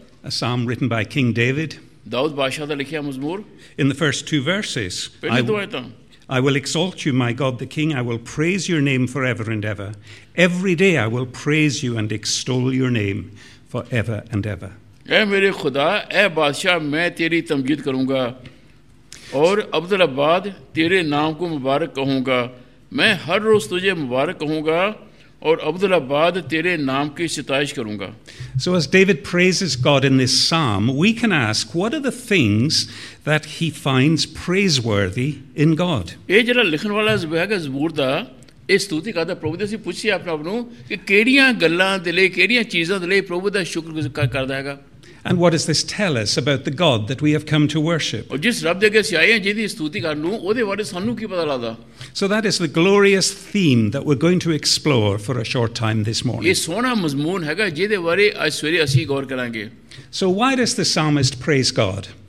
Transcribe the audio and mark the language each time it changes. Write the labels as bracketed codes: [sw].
[en] A psalm written by King David. In the first two verses, I will exalt you, my God the King. I will praise your name forever and ever. Every day I will praise you and extol your name forever and ever. [ur] Ey mere khuda, ey badshah, main teri tamjid karunga. اور عبدالعباد تیرے نام کو مبارک کہوں گا میں ہر روز تجھے مبارک کہوں گا اور عبدالعباد تیرے نام کی ستائش کروں گا [en] So as David praises God in this psalm, we can ask, what are the things that he finds praiseworthy in God? [pa] اے جڑا لکھن والا زبور دا اے ستوتی کہتا پربھو دا سی پوچھے اپنے آپ نوں کہ کیڑیاں گلاں دے لئی کیڑیاں چیزاں دے لئی پربھو دا شکر کردا ہے گا [en] And what does this tell us about the God that we have come to worship? So that is the glorious theme that we're going to explore for a short time this morning. So why does the psalmist praise God?